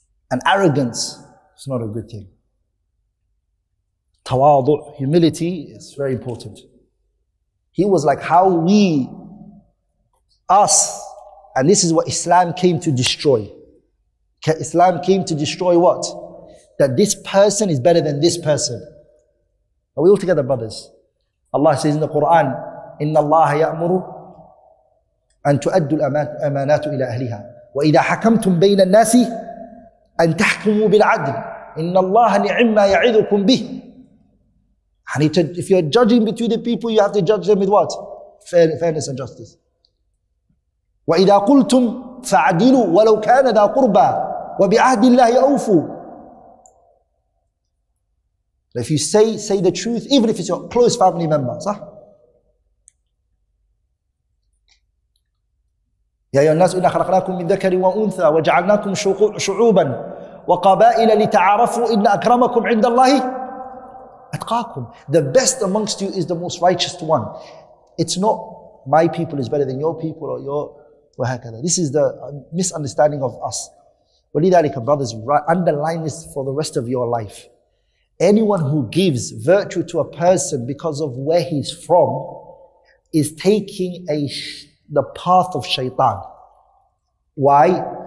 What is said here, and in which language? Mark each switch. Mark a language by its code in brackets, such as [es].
[en] And arrogance is not a good thing. Tawadu, humility, is very important. He was like how we, us, and this is what Islam came to destroy. Islam came to destroy what? That this person is better than this person. Are we all together, brothers? Allah says in the Qur'an, [ar] إِنَّ اللَّهَ يَأْمُرُ أَن تُؤَدُّ الْأَمَانَاتُ إِلَىٰ أَهْلِهَا وَإِذَا حَكَمْتُمْ بَيْنَ النَّاسِ أَن تَحْكُمُوا بِالْعَدْلِ إِنَّ اللَّهَ نِعِمَّا يَعِذُكُمْ بِهِ. [en] And if you're judging between the people, you have to judge them with what? Fairness and justice. [ar] وَإِذَا قُلْتُمْ فَعَدِلُوا وَلَوْ كَانَ ذَا قُرْبَى وَبِعَهْدِ اللَّهِ أَوْفُوا. [en] If you say the truth, even if it's your close family member, [ar] صح؟ يَا أَيُّهَا النَّاسُ إِنَّا خَلَقْنَاكُمْ مِنْ ذَكَرٍ وَأُنْثَى وَجَعَلْنَاكُمْ شُعُوبًا وَقَبَائِلَ لِتَعَارَفُوا إِنَّ أَكْرَمَكُمْ عِنْدَ اللَّهِ أَتْقَاكُمْ. [en] The best amongst you is the most righteous one. It's not my people is better than your people or your [ar] وَهَكَذَا. [en] This is the misunderstanding of us. [ar] وَلِذَلِكَ [en] brothers, underline this for the rest of your life. Anyone who gives virtue to a person because of where he's from is taking the path of shaitan. Why?